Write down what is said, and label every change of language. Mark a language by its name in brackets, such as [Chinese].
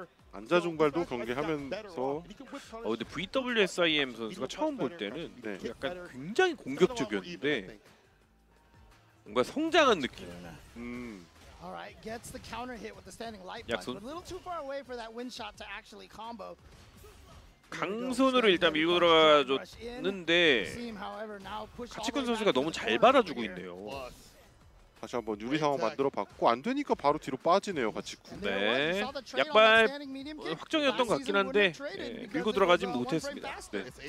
[Korean] 안자 종발도 경계하면서 근데 VWSIM 선수가 처음 볼 때는 네. 약간 굉장히 공격적이었는데 뭔가 성장한 느낌. [English] All right, gets the counter hit with the standing light punch. But a little too far away for that wind shot to actually combo. [Korean] 강손으로 일단 밀고 들어가줬는데 가치쿤 선수가 너무 잘 받아주고 있네요. 다시 한번 유리 상황 만들어 봤고 안 되니까 바로 뒤로 빠지네요, 가치쿤. 네. 약발 확정이었던 것 같긴 한데 네. 밀고 들어가진 못했습니다. 네.